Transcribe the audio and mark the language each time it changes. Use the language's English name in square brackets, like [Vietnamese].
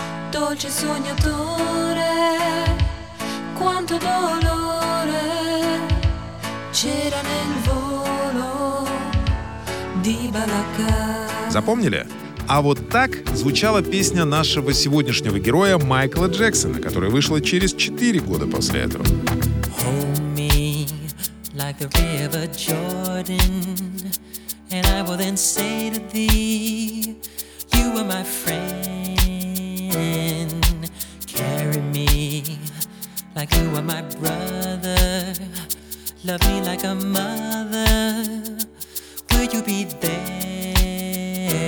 [Italian] Dolce sognatore, quanto dolore c'era nel volo di Balacca. [Russian] Запомнили? А вот так звучала песня нашего сегодняшнего героя Майкла Джексона, которая вышла через 4 года после этого. [English] Hold me like the river Jordan, and I will then say to thee, you are my friend. Carry me like you are my brother, love me like a mother, will you be there?